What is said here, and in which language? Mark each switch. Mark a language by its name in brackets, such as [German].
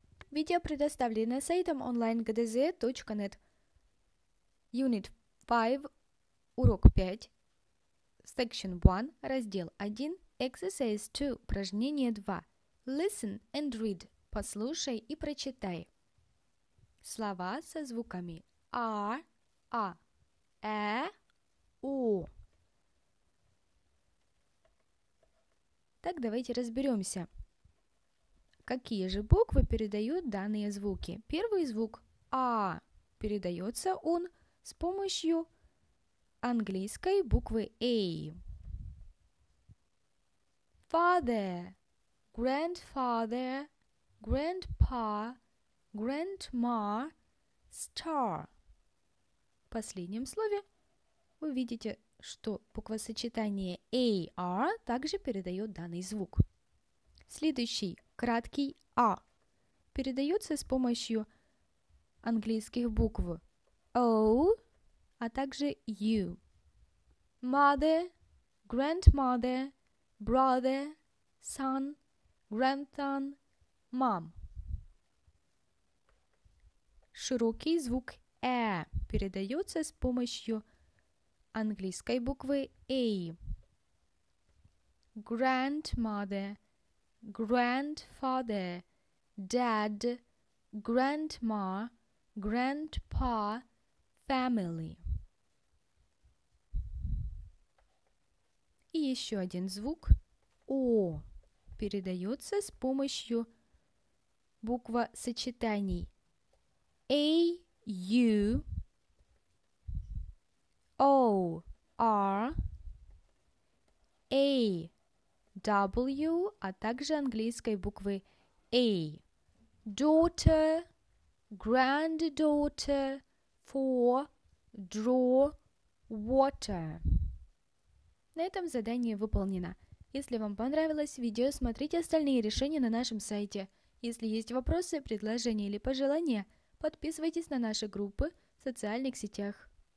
[Russian] Видео предоставлено сайтом онлайн-гдз.нет. [English] Unit 5, [Russian] урок 5, [English] Section 1, [Russian] раздел 1, [English] Exercise 2, [Russian] упражнение 2. [English] Listen and read. [Russian] Послушай и прочитай. Слова со звуками R, A, E, U. Так, давайте разберемся. Какие же буквы передают данные звуки? Первый звук А передается он с помощью английской буквы A. [English] Father, grandfather, grandpa, grandma, star. [Russian] В последнем слове вы видите, что буквосочетание AR также передает данный звук. Следующий краткий А передается с помощью английских букв O, а также U. [English] Mother, grandmother, brother, son, grandson, mom. [Russian] Широкий звук E передается с помощью английской буквы A. [English] Grandmother, grandfather, dad, grandma, grandpa, family. [Russian] И еще один звук О передается с помощью буква сочетаний A, U, O, R, A, W, а также английской буквы A. [English] Daughter, granddaughter, for, draw, water. [Russian] На этом задание выполнено. Если вам понравилось видео, смотрите остальные решения на нашем сайте. Если есть вопросы, предложения или пожелания, подписывайтесь на наши группы в социальных сетях.